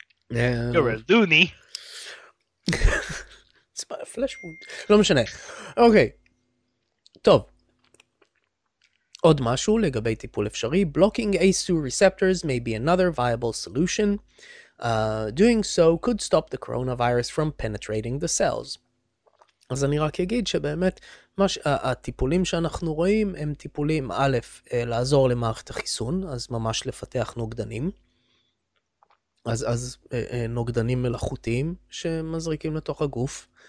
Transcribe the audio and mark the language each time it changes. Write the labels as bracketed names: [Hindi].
[English] You're a loony. It's about a flesh wound. [Hebrew] לא משנה. אוקיי. טוב. עוד משהו לגבי טיפול אפשרי. [English] Blocking ACE2 receptors may be another viable solution. Doing so could stop the coronavirus from penetrating the cells. [Hebrew] אז אני רק אגיד שבאמת הטיפולים שאנחנו רואים הם טיפולים א', לעזור למערכת החיסון, אז ממש לפתח נוגדנים. אז נוגדנים מלאכותיים שמזריקים לתוך הגוף.